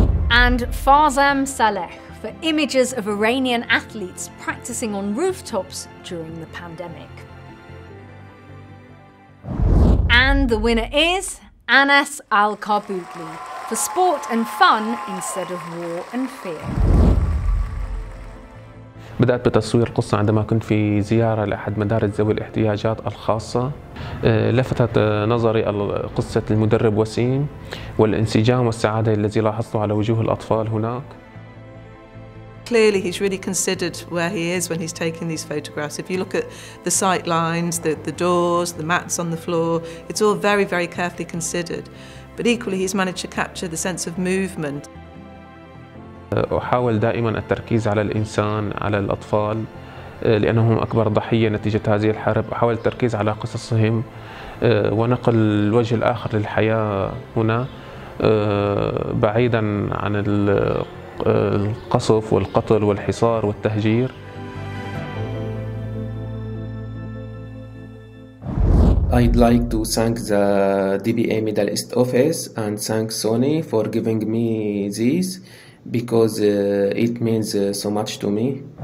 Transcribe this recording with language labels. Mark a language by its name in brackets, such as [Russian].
[English] And Farzam Saleh for images of Iranian athletes practicing on rooftops during the pandemic. And the winner is Anas Al-Karbutli for sport and fun instead of war and fear. [Arabic] بدأت بتصوير قصة عندما كنت في زيارة لأحد مدارس ذوي الاحتياجات الخاصة. لفتت نظري قصة المدرب وسيم والانسجام والسعادة الذي لاحظته على وجوه الأطفال هناك. [English] Clearly, he's really considered where he is when he's taking these photographs. If you look at the sight lines, the doors, the mats on the floor, it's all very, very carefully considered. But equally, he's managed to capture the sense of movement. [Arabic] أحاول دائما التركيز على الإنسان، على الأطفال، لأنهم أكبر ضحية نتيجة هذه الحرب. أحاول التركيز على قصصهم ونقل الوجه الآخر للحياة هنا بعيدا عن القصف والقتل والحصار والتهجير. [English] I'd like to thank the DBA Middle East office and thank Sony for giving me this because it means so much to me.